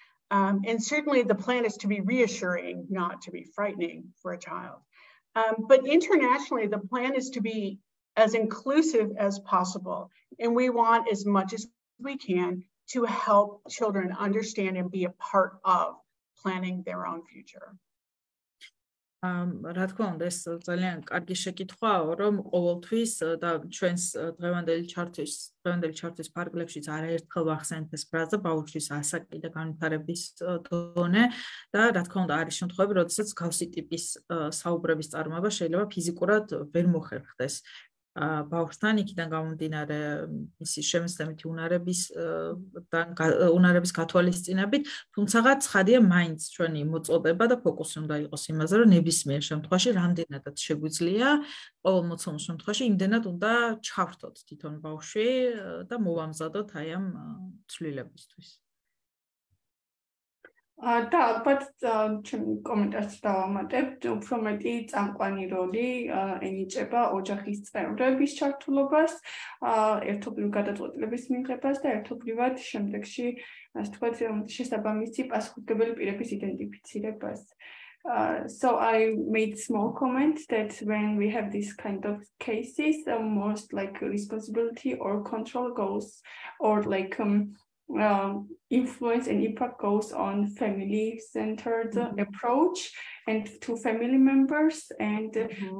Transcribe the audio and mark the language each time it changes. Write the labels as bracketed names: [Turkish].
[English] And certainly the plan is to be reassuring, not to be frightening for a child. But internationally, the plan is to be as inclusive as possible. And we want as much as we can to help children understand and be a part of planning their own future. [Georgian] რა თქმა უნდა, ეს ძალიან კარგი შეკითხვა, რომ ყოველთვის და ჩვენს დღევანდელი ჩართვის ფარგლებშიც არაერთხელ ვახსენებთ ეს ფრაზა, ბავშვის ასაკი და განვითარების დონე, და რა თქმა უნდა, არის შემთხვევები, როდესაც გავსი ტიპის საუბრების წარმოება შეიძლება ფიზიკურად ვერ მოხერხდეს ბავშვთან, იქიდან გამომდინარე მისი შემეცნებითი უნარების გათვალისწინებით, თუმცა ცხადია მაინც ჩვენი მოწოდება და ფოკუსი უნდა იყოს იმაზე, რომ ნებისმიერ შემთხვევაში რამდენადაც შეგვიძლია, ყოველ მოცემულ შემთხვევაში იმდენად უნდა ჩავრთოთ თვითონ ბავშვი და მოვამზადოთ აი ამ ცვლილებისთვის. [Russian] Да, [English] but [Georgian] ჩემ კომენტარს დავამატებთ, უფრო მეტი წამყვანი როლი ენიჭება ოჯახის წევრების ჩართულობას, ერთობლივ გადაწყვეტილების მიღებას და ერთობლივად შემდეგში, ასე ვთქვათ, შესაბამისი პასუხისმგებელი პირების იდენტიფიცირებას. [English] So I made small comment that when we have these kind of cases, the most like responsibility or control goes or like influence and impact goes on family-centered mm-hmm. approach and to family members and mm-hmm.